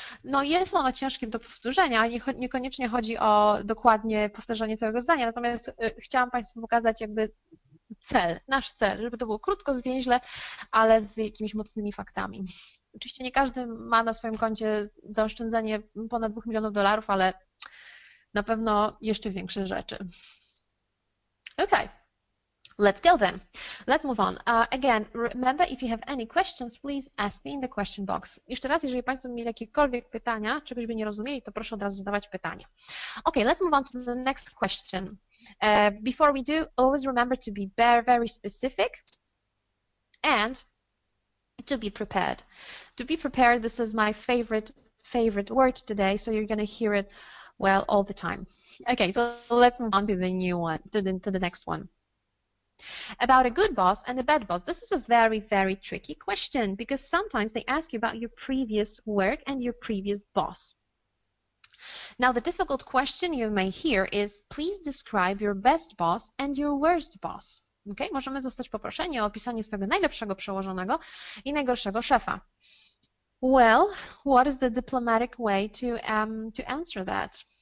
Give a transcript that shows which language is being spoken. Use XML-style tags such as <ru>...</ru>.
<pl>No jest ono ciężkie do powtórzenia, niekoniecznie chodzi o dokładnie powtarzanie całego zdania, natomiast chciałam Państwu pokazać jakby cel, nasz cel, żeby to było krótko, zwięźle, ale z jakimiś mocnymi faktami. Oczywiście nie każdy ma na swoim koncie zaoszczędzenie ponad 2 milionów dolarów, ale na pewno jeszcze większe rzeczy.</pl> <en>Okay. Let's go then. Let's move on. Again, remember, if you have any questions, please ask me in the question box.</en> <pl>Jeszcze raz, jeżeli Państwo mieli jakiekolwiek pytania, czegoś by nie rozumieli, to proszę od razu zadawać pytania.</pl> <en>Okay, let's move on to the next question. Before we do, always remember to be very, very specific and to be prepared. To be prepared, this is my favorite word today, so you're going to hear it, well, all the time. Okay, so let's move on to the new one, to the next one. About a good boss and a bad boss. This is a very, very tricky question because sometimes they ask you about your previous work and your previous boss. Now, the difficult question you may hear is, please describe your best boss and your worst boss. Okay?</en> <pl>Możemy zostać poproszeni o opisanie swojego najlepszego przełożonego i najgorszego szefa.</pl> <en>Well, what is the diplomatic way to answer that?</en>